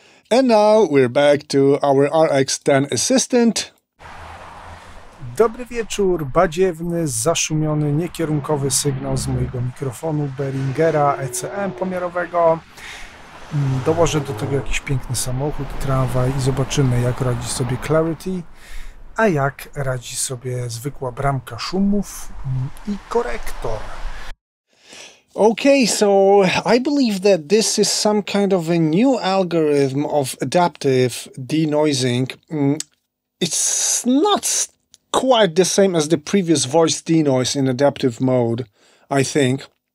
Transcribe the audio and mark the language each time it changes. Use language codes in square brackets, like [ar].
[en] And now we're back to our RX10 assistant. [pl] Dobry wieczór, badziewny, zaszumiony, niekierunkowy sygnał z mojego mikrofonu Behringera ECM pomiarowego. Dołożę do tego jakiś piękny samochód, tramwaj i zobaczymy, jak radzi sobie Clarity, a jak radzi sobie zwykła bramka szumów i korektor. [en] Okay, so I believe that this is some kind of a new algorithm of adaptive denoising. It's not quite the same as the previous voice denoise in adaptive mode, I think.